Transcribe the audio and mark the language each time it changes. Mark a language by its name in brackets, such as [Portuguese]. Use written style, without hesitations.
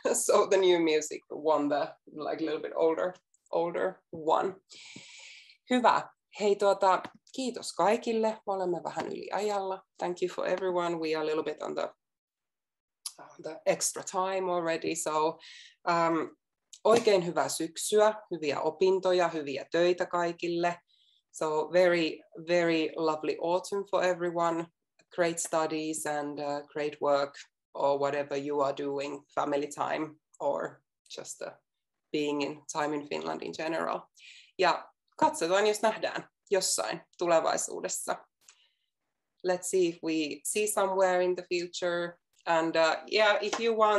[English] So the new music won the like little bit older one. [Finnish] Hyvä. Hei, tuota, kiitos kaikille. Me olemme vähän yliajalla. [English] Thank you for everyone. We are a little bit on the extra time already. [Finnish] So oikein hyvää syksyä, hyviä opintoja, hyviä töitä kaikille. [English] So very, very lovely autumn for everyone. Great studies and great work or whatever you are doing, family time or just being in time in Finland in general. [Finnish] Ja katsotaan, jos nähdään jossain tulevaisuudessa. [English] Let's see if we see somewhere in the future. And yeah, if you want,